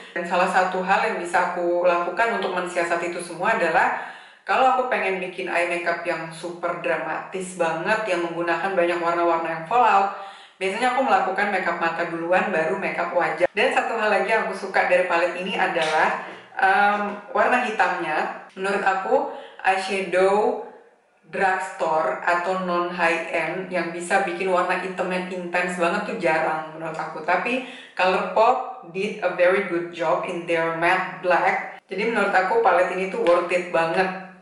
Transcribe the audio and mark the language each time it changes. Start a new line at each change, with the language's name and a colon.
Indonesian: Dan salah satu hal yang bisa aku lakukan untuk mensiasati itu semua adalah kalau aku pengen bikin eye makeup yang super dramatis banget yang menggunakan banyak warna-warna yang fall out, biasanya aku melakukan makeup mata duluan baru makeup wajah. Dan satu hal lagi yang aku suka dari palet ini adalah warna hitamnya. Menurut aku eyeshadow drugstore atau non high end yang bisa bikin warna hitam yang intense banget tuh jarang menurut aku.
English: Tapi Colourpop did a very good job in their matte black.
Indonesian: Jadi menurut aku palet ini tuh worth it banget.